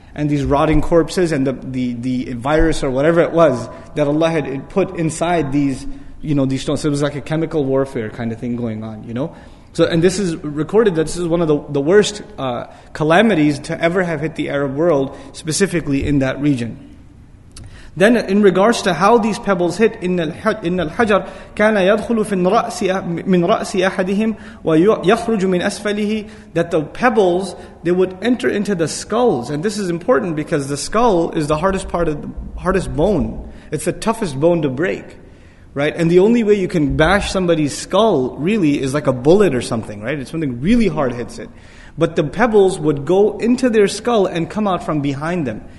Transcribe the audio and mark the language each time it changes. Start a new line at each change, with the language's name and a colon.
English: And these rotting corpses and the virus or whatever it was that Allah had put inside these, you know, these stones. So it was like a chemical warfare kind of thing going on, you know. So, and this is recorded that this is one of the worst calamities to ever have hit the Arab world, specifically in that region. Then in regards to how these pebbles hit,
Arabic: إِنَّ الْحَجَرْ كَانَ يَدْخُلُ مِنْ رَأْسِ أَحَدِهِمْ وَيَخْرُجُ مِنْ أَسْفَلِهِ.
English: That the pebbles, they would enter into the skulls. And this is important because the skull is the hardest part of the hardest bone. It's the toughest bone to break. Right, and the only way you can bash somebody's skull really is like a bullet or something, right? It's something really hard hits it. But the pebbles would go into their skull and come out from behind them.